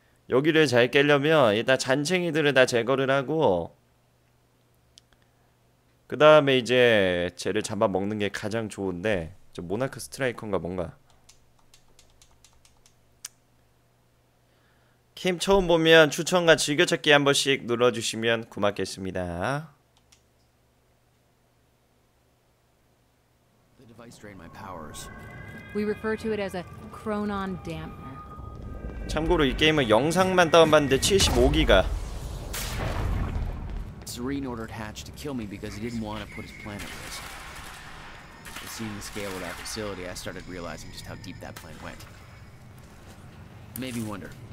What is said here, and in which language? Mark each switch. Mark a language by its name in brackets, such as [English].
[Korean] 여기를 잘 깨려면 일단 잔챙이들을 다 제거를 하고 그 다음에 이제 쟤를 잡아먹는 게 가장 좋은데. 저 모나크 스트라이커인가 뭔가. 게임 처음 보면 추천과 즐겨찾기 한 번씩 눌러주시면 고맙겠습니다. [English] The device drained my powers. We refer to it as a Cronon dampener. [Korean] 참고로 이 게임은 영상만 다운받는데 75기가. [English] Serene ordered Hatch to kill me because he didn't want to put his plan at risk. Seeing the scale of that facility, I started realizing just how deep that plan went. Made me wonder.